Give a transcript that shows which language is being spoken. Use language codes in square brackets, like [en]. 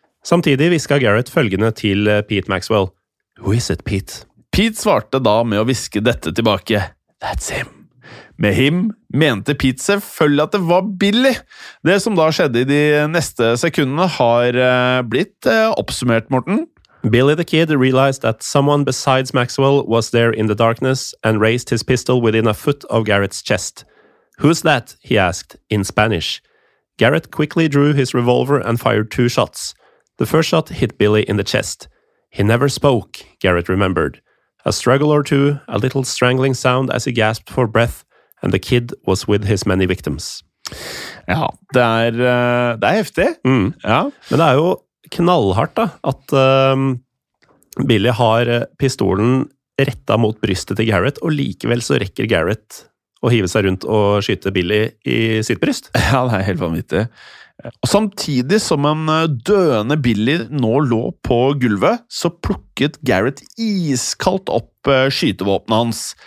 [no] Samtidig viska Garrett følgende til Pete Maxwell. [en] «Who is it, Pete?» [no] Pete svarte da med å viske dette tilbake. [en] «That's him.» [no] Med him mente Pete selvfølgelig at det var Billy. Det som da skjedde I de neste sekundene har blitt oppsummert, Morten. [en] Billy the Kid realized that someone besides Maxwell was there in the darkness and raised his pistol within a foot of Garrett's chest. Who's that? He asked in Spanish. Garrett quickly drew his revolver and fired 2 shots. The first shot hit Billy in the chest. He never spoke, Garrett remembered. A struggle or two, a little strangling sound as he gasped for breath, and the kid was with his many victims. [no] Ja, det er heftig. Mm. Ja. Men det jo knallhardt da, at Billy har pistolen rettet mot brystet til Garrett, og likevel så rekker Garrett å hive seg rundt og skyte Billy I sitt bryst. Ja, det helt vanvittig. Og samtidig som en døende Billy nå lå på gulvet, så plukket Garrett iskaldt opp skytevåpnet hans.